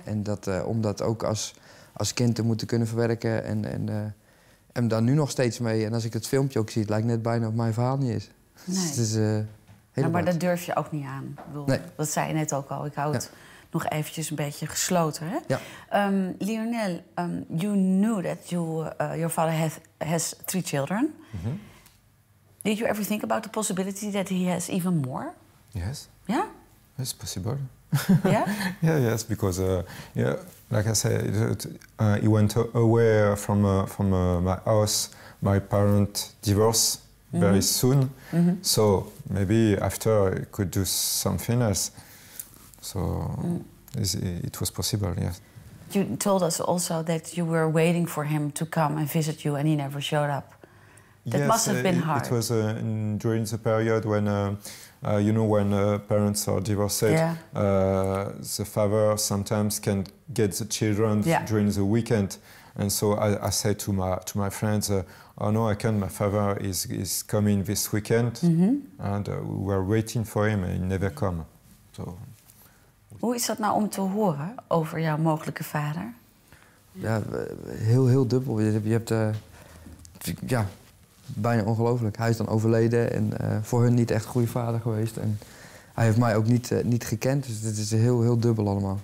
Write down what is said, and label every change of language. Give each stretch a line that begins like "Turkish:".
Dutch: En dat, om dat ook als kind te moeten kunnen verwerken en daar nu nog steeds mee. En als ik het filmpje ook zie, het lijkt net bijna op mijn verhaal niet is. Nee. Dus, maar dat durf je ook niet aan. Nee. Dat zei je net ook al. Ik hou het nog eventjes een beetje gesloten. Hè? Ja.
English: Lionel, you knew that your father has 3 children. Mm-hmm. Did you ever think about the possibility that he has even more? Yes. Yeah? It's possible. Yeah? Yeah, yes, because, like I said, he went away from my house. My parents divorced very soon. Mm-hmm. So maybe after he could do something else. So it was possible, yes. You told us also that you were waiting for him to come and visit you and he never showed up. That yes, must have been hard. It was during the period when, when parents are divorced, the father sometimes can get the children during the weekend. And so I said to my friends, oh no, I can't, my father is coming this weekend. Mm-hmm. And we were waiting for him and he never come. So.
Dutch: Hoe is dat nou om te horen over jouw mogelijke vader? Ja, heel, heel dubbel. Je hebt, bijna ongelooflijk. Hij is dan overleden en voor hun niet echt goede vader geweest. En hij heeft mij ook niet gekend, dus het is heel, heel dubbel allemaal.